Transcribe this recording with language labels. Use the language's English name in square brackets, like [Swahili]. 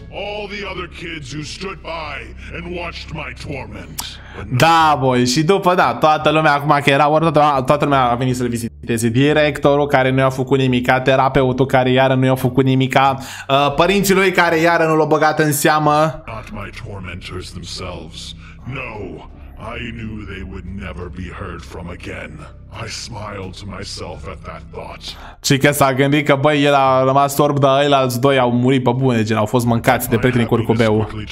[English] All the other kids who stood by and watched my torment. [Romanian] Da, boy, și după, da, toată lumea acum că era ori, toată lumea a venit să-l viziteze. Directorul care nu i-a făcut nimica, terapeutul care iară nu i-a făcut nimica, părinții lui care iară nu l-au băgat în seamă. [English] Not my tormentors themselves. No, I knew they would never be heard from again. I smiled to myself at that thought. [Romanian] Și că s-a gândit că, băi, el a rămas orb, dar ăilalți doi au murit pe bune, gen, au fost mâncați de prietenii curcubeu.